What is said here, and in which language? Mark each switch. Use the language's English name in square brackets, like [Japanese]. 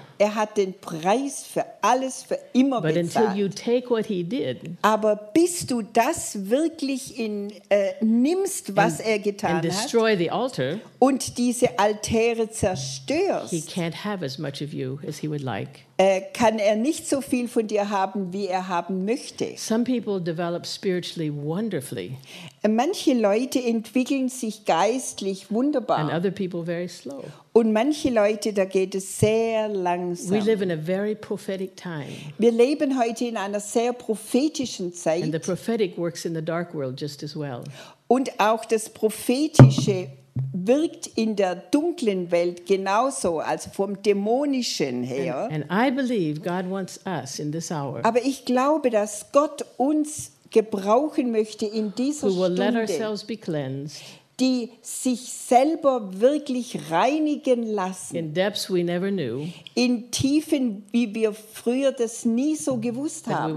[German] Er hat den Preis für alles für immer [English] but [German] bezahlt. [English] Until you take what he did, [German] aber bis du das wirklich in nimmst, was [English] and, [German] er getan [English] and destroy [German] hat [English] the altar, [German] und diese Altäre zerstörst, [English] he can't have as much of you as he would like. [German] Kann er nicht so viel von dir haben, wie er haben möchte. [English] Some people develop spiritually wonderfully. [German] Manche Leute entwickeln sich geistlich wunderbar. [English] And other people very slow. [German] Und manche Leute, da geht es sehr langsam. [English] We live in a very prophetic time. [German] Wir leben heute in einer sehr prophetischen Zeit. [English] And the prophetic works in the dark world just as well. [German] Und auch das Prophetische wirkt in der dunklen Welt genauso, also vom Dämonischen her. [English] And I believe God wants us in this hour. [German] Aber ich glaube, dass Gott uns gebrauchen möchte in dieser Stunde. [English] We will let ourselves be cleansed. [German] Die sich selber wirklich reinigen lassen. [English] In depths we never knew. [German] In Tiefen, wie wir früher das nie so gewusst haben.